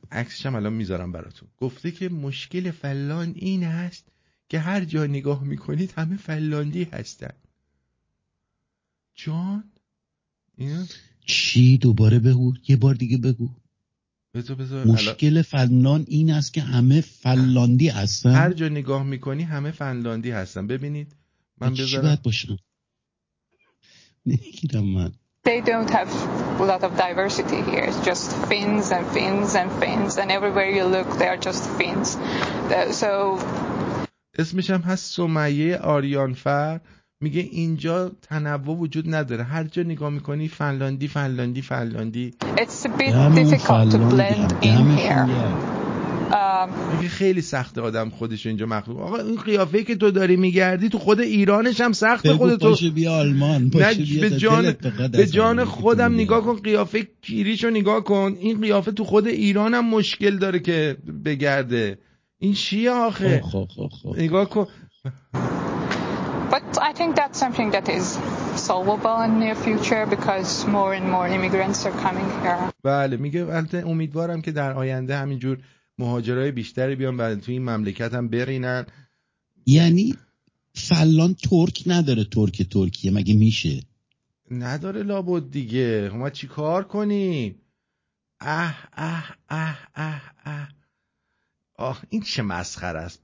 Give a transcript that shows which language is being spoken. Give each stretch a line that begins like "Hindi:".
Persian: عکسش هم الان میذارم براتون، گفته که مشکل فنلاند این هست که هر جا نگاه میکنید همه فنلاندی هستن. جان چی دوباره بگو؟ یه بار دیگه بگو. بذار. مشکل فنلاند این است که همه فنلاندی هستن. هر جا نگاه میکنی همه فنلاندی هستن. ببینید من بذارم. چی باید باشم؟ نگیرم من.
English: They don't have a lot of diversity here. It's just Finns and Finns and Finns. And everywhere you look, they are just Finns. So...
Persian: اسمش هم هست سمیه آریانفر. میگه اینجا تنوع وجود نداره. هر جا نگاه میکنی فنلاندی فنلاندی فنلاندی.
English: It's a bit difficult to blend in here.
Persian: میگه خیلی سخت آدم خودش اینجا مخلوق. آقا این قیافه‌ای که تو داری میگردی تو خود ایرانش هم سخت خودتو. باشه بیا آلمان. باشه بیا به جان خودم نگاه کن. قیافه گیریشو نگاه کن. این قیافه تو خود ایرانم مشکل داره که بگرده. این چیه آخه؟ نگاه کن.
English: But I think that's something that is solvable in the near future because more and more immigrants are coming here.
Persian: بله میگه البته امیدوارم که در آینده همینجور مهاجرای بیشتری بیان بعد تو این مملکت هم برینن. یعنی فلان ترک نداره ترک ترکیه مگه میشه؟ نداره لابد دیگه. ما چی کار کنیم؟ اه اه اه اه اه آه این چه مسخره است.